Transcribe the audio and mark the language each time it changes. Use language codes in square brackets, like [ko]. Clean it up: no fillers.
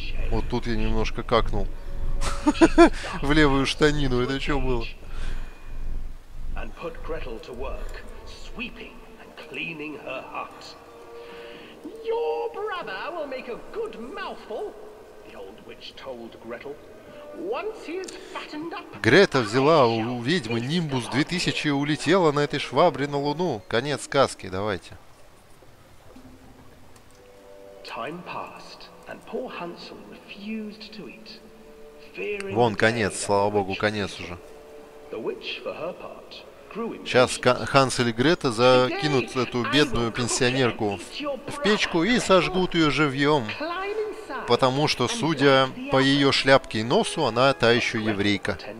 [ru] Вот тут я немножко какнул. В левую штанину, это что было? [en] And put Gretel to work, sweeping and cleaning her hut. Your brother will make a good mouthful, the old witch told Gretel. Once he's fattened up. [ru] Грета взяла у ведьмы Нимбус 2000 и улетела на этой швабре на луну. Конец сказки, давайте. [en] Time passed, and poor Hansel refused to eat. [ru] Вон конец, слава богу, конец уже. [en] The witch, for her part, [ru] сейчас Хансель и Грета закинут эту бедную пенсионерку в печку и сожгут ее живьем, потому что, судя по ее шляпке и носу, она та еще еврейка.